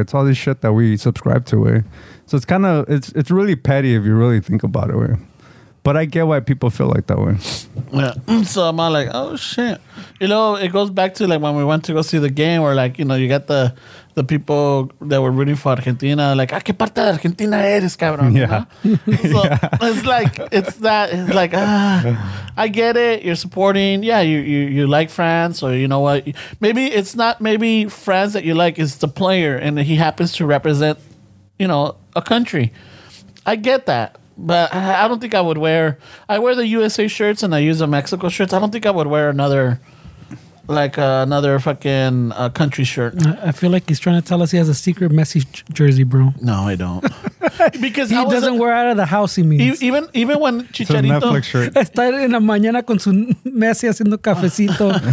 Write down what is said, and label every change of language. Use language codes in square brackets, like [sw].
[en] It's all this shit that we subscribe to, way. Right? So it's kind of, it's really petty if you really think about it, way. Right? But I get why people feel like that way. Yeah. So I'm all like, oh, shit. You know, it goes back to, like, when we went to go see the game where, like, you know, you got the people that were rooting for Argentina. [es] Like, ¿a qué parte de Argentina eres, cabrón? [en] Yeah. You know? So yeah. I get it. You're supporting. Yeah, you like France, or you know what? Maybe it's not maybe France that you like. It's the player, and he happens to represent, you know, a country. I get that. But I don't think I would wear. I wear the USA shirts, and I use the Mexico shirts. I don't think I would wear another. Like another fucking country shirt. I feel like he's trying to tell us he has a secret Messi jersey, bro. No, I don't. Because he doesn't wear out of the house, he means. Even when Chicharito... It's a Netflix shirt. [es] Está en la mañana con su Messi haciendo cafecito.